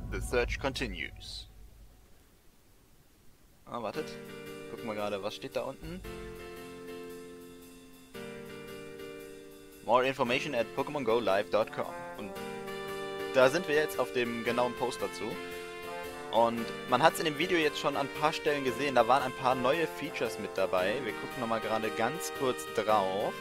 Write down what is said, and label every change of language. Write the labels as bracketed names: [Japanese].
[English] Search continues. [German] Ah, wartet. Gucken wir gerade, was steht da unten. [English] More information at pokemongolive.com. [German] Und da sind wir jetzt auf dem genauen Post dazu. Und man hat es in dem Video jetzt schon an ein paar Stellen gesehen, da waren ein paar neue Features mit dabei. Wir gucken nochmal gerade ganz kurz drauf.